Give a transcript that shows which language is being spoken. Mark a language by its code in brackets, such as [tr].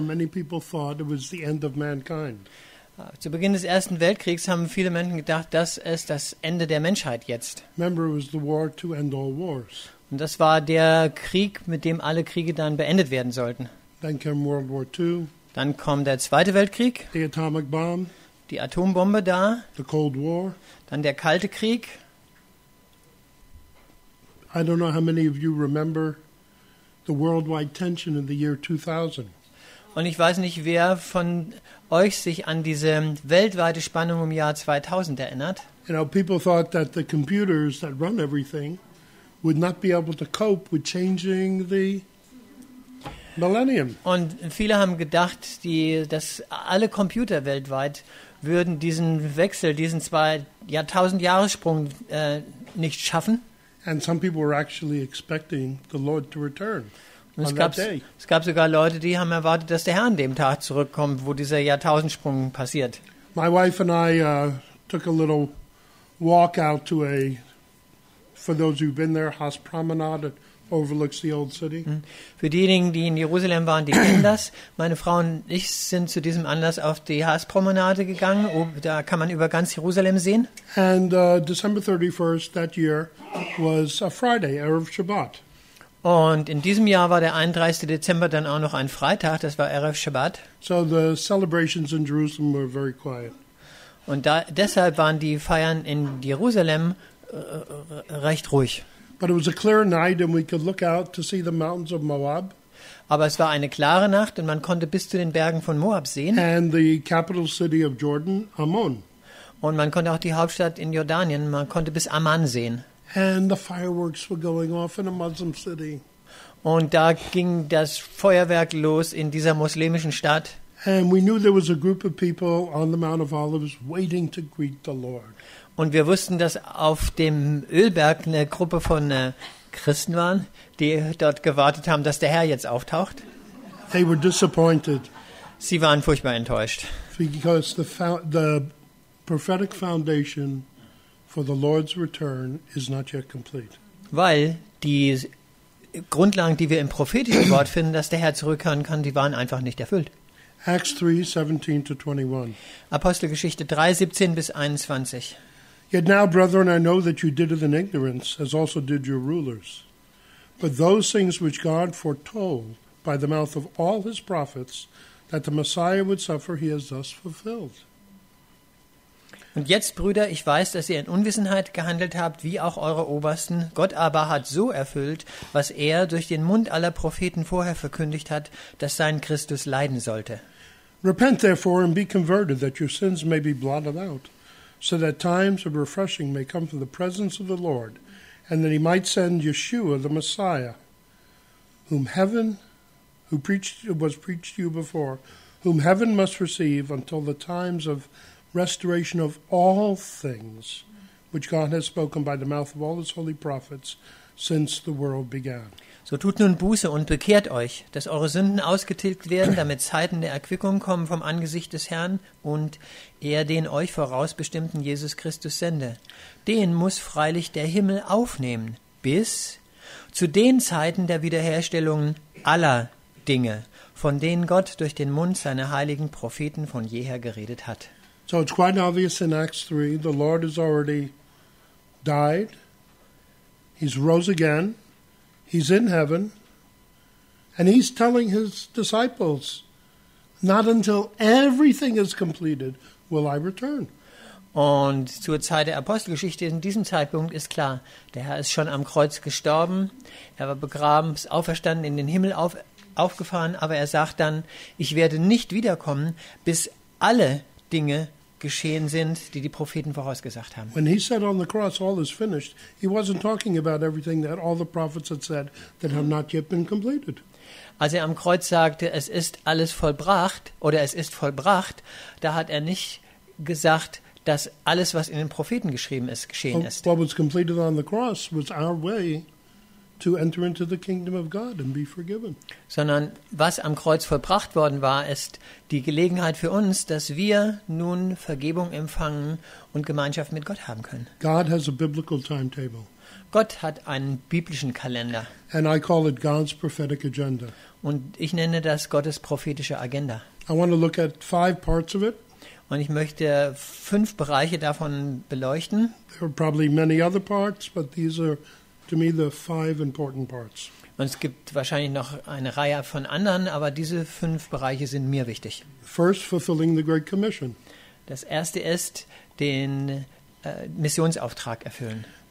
[en] Many people thought it was the end of mankind. [de] Zu Beginn des Ersten Weltkriegs haben viele Menschen gedacht, das ist das Ende der Menschheit jetzt. [en] Remember, it was the war to end all wars. [de] Und das war der Krieg, mit dem alle Kriege dann beendet werden sollten. [en] Then came World War II. [de] Dann kommt der Zweite Weltkrieg. [en] The atomic bomb. [de] Die Atombombe da. [en] The Cold War. [de] Dann der Kalte Krieg. [en] I don't know how many of you remember the worldwide tension in the year 2000. [de] Und ich weiß nicht, wer von euch sich an diese weltweite Spannung im Jahr 2000 erinnert. [en] You know, people thought that the computers that run everything would not be able to cope with changing the millennium. [de] Und viele haben gedacht, dass alle Computer weltweit würden diesen Wechsel, diesen 2000-Jahressprung nicht schaffen. [en] And some people were actually expecting the Lord to return. [de] Es gab sogar Leute, die haben erwartet, dass der Herr an dem Tag zurückkommt, wo dieser Jahrtausendsprung passiert. [en] My wife and I took a little walk out to a, for those who've been there, Haas Promenade, that overlooks the old city. [de] Für diejenigen, die in Jerusalem waren, die kennen das. Meine Frau und ich sind zu diesem Anlass auf die Haas Promenade gegangen. Da kann man über ganz Jerusalem sehen. [en] And December 31st that year was a Friday, Erev Shabbat. [de] Und in diesem Jahr war der 31. Dezember dann auch noch ein Freitag, das war Erev Shabbat. [en] So the celebrations in Jerusalem were very quiet. [de] Und deshalb waren die Feiern in Jerusalem recht ruhig. [en] But it was a clear night and we could look out to see the mountains of Moab. [de] Aber es war eine klare Nacht und man konnte bis zu den Bergen von Moab sehen. [en] And the capital city of Jordan, Ammon. [de] Und man konnte auch die Hauptstadt in Jordanien, man konnte bis Amman sehen. [en] And the fireworks were going off in a Muslim city. [de] Und da ging das Feuerwerk los in dieser muslimischen Stadt. [en] And we knew there was a group of people on the Mount of Olives waiting to greet the Lord. [de] Und wir wussten, dass auf dem Ölberg eine Gruppe von Christen waren, die dort gewartet haben, dass der Herr jetzt auftaucht. [en] They were disappointed. [de] Sie waren furchtbar enttäuscht. [en] Because the prophetic foundation for the Lord's return is not yet complete. [de] Weil die Grundlagen, die wir im prophetischen Wort finden, dass der Herr zurückkehren kann, die waren einfach nicht erfüllt. [en] Acts 3:17-21. [de] Apostelgeschichte 3:17-21. [en] Yet now, brethren, I know that you did it in ignorance, as also did your rulers. But those things which God foretold by the mouth of all his prophets, that the Messiah would suffer, he has thus fulfilled. [de] Und jetzt, Brüder, ich weiß, dass ihr in Unwissenheit gehandelt habt, wie auch eure Obersten. Gott aber hat so erfüllt, was er durch den Mund aller Propheten vorher verkündigt hat, dass sein Christus leiden sollte. [en] Repent therefore and be converted, that your sins may be blotted out, so that times of refreshing may come from the presence of the Lord, and that he might send Yeshua, the Messiah, whom heaven must receive until the times of restoration of all things which God has spoken by the mouth of all his holy prophets since the world began. [de] So tut nun Buße und bekehrt euch, dass eure Sünden ausgetilgt werden, damit Zeiten der Erquickung kommen vom Angesicht des Herrn und er den euch vorausbestimmten Jesus Christus sende. Den muss freilich der Himmel aufnehmen, bis zu den Zeiten der Wiederherstellung aller Dinge, von denen Gott durch den Mund seiner heiligen Propheten von jeher geredet hat. [en] So it's quite obvious in Acts 3, the Lord has already died, he's rose again, he's in heaven, and he's telling his disciples, not until everything is completed will I return. [de] Und zur Zeit der Apostelgeschichte, in diesem Zeitpunkt ist klar, der Herr ist schon am Kreuz gestorben, er war begraben, ist auferstanden, in den Himmel aufgefahren, aber er sagt dann, ich werde nicht wiederkommen, bis alle Dinge geschehen sind, die die Propheten vorausgesagt haben. [en] When he said on the cross all is finished, he wasn't talking about everything that all the prophets had said that have not yet been completed. [de] Als er am Kreuz sagte, es ist alles vollbracht, oder es ist vollbracht, da hat er nicht gesagt, dass alles, was in den Propheten geschrieben ist, geschehen ist. [en] What was completed on the cross was our way to enter into the kingdom of God and be forgiven. [de] Sondern was am Kreuz vollbracht worden war, ist die Gelegenheit für uns, dass wir nun Vergebung empfangen und Gemeinschaft mit Gott haben können. [en] God has a biblical timetable. [de] Gott hat einen biblischen Kalender. [en] And I call it God's prophetic agenda. [de] Und ich nenne das Gottes prophetische Agenda. [en] I want to look at five parts of it. [de] Und ich möchte fünf Bereiche davon beleuchten. [en] There are probably many other parts, but these are to me the five important parts. [de] Und es gibt wahrscheinlich noch eine Reihe von anderen, aber diese fünf Bereiche sind mir wichtig. [en] First, fulfilling the Great Commission. [de] Das erste ist, den Missionsauftrag erfüllen.